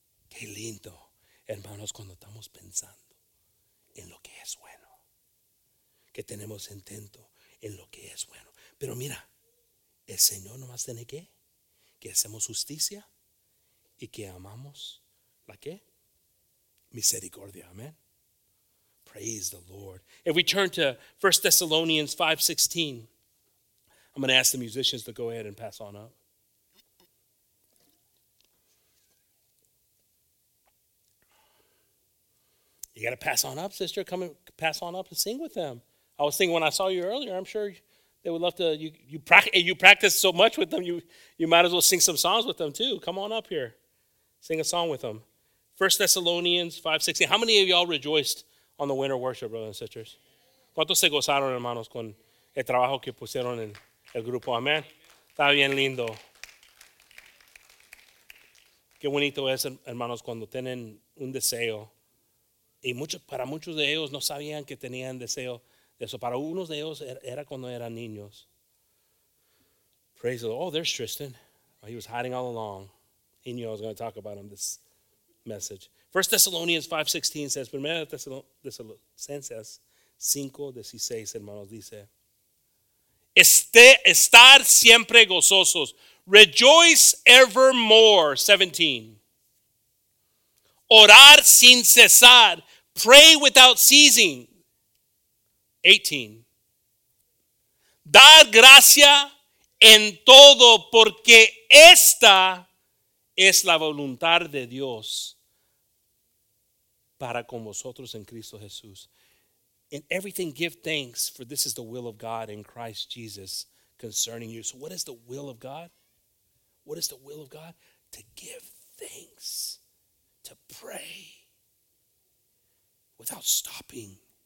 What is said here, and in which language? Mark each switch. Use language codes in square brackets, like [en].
[es] Qué lindo, hermanos, cuando estamos pensando en lo que es bueno. Que tenemos intento en lo que es bueno. Pero mira, el Señor nomás tiene que hacemos justicia y que amamos la que misericordia, amén. [en] Praise the Lord. If we turn to 1 Thessalonians 5:16, I'm going to ask the musicians to go ahead and pass on up. You got to pass on up, sister. Come and pass on up and sing with them. I was thinking when I saw you earlier, I'm sure they would love to. You practice so much with them, you might as well sing some songs with them too. Come on up here. Sing a song with them. 1 Thessalonians 5:16. How many of y'all rejoiced on the winter worship, brothers and sisters? [es] ¿Cuántos se gozaron, hermanos, con el trabajo que pusieron en el grupo? Amén. Está bien lindo. Qué bonito es, hermanos, cuando tienen un deseo. Y muchos, para muchos de ellos no sabían que tenían deseo de eso. Para unos de ellos era cuando eran niños. [en] Praise the Lord. Oh, there's Tristan. Oh, he was hiding all along. He knew I was going to talk about him this message. 1 Thessalonians 5:16 says, 1 Thessalonians 5:16, [es] hermanos, dice, estar siempre gozosos. [en] Rejoice evermore. 17. [es] Orar sin cesar. [en] Pray without ceasing. 18. [es] Dar gracia en todo, porque esta es la voluntad de Dios para con vosotros en Cristo Jesús. [en] In everything give thanks, for this is the will of God in Christ Jesus concerning you. So what is the will of God? What is the will of God? To give thanks, to pray without stopping,